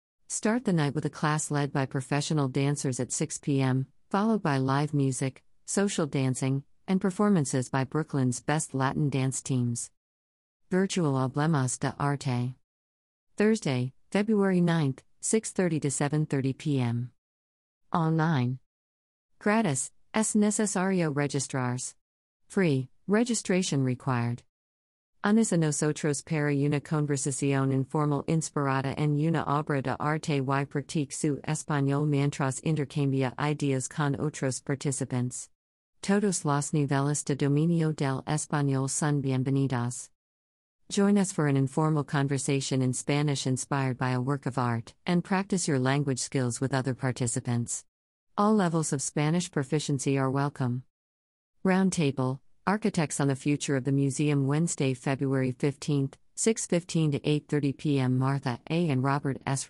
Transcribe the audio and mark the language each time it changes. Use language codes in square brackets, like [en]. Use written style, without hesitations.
[en] Start the night with a class led by professional dancers at 6 p.m., followed by live music, social dancing, and performances by Brooklyn's best Latin dance teams. Virtual Emblemas de Arte. Thursday, February 9th, 6:30 to 7:30 p.m. Online. [es] Gratis, es necesario registrarse. [en] Free, registration required. [es] Unis a nosotros para una conversación informal inspirada en una obra de arte y practique su español mientras intercambia ideas con otros participantes. Todos los niveles de dominio del español son bienvenidos. [en] Join us for an informal conversation in Spanish inspired by a work of art, and practice your language skills with other participants. All levels of Spanish proficiency are welcome. Roundtable, Architects on the Future of the Museum, Wednesday, February 15, 6:15 to 8:30 p.m. Martha A. and Robert S.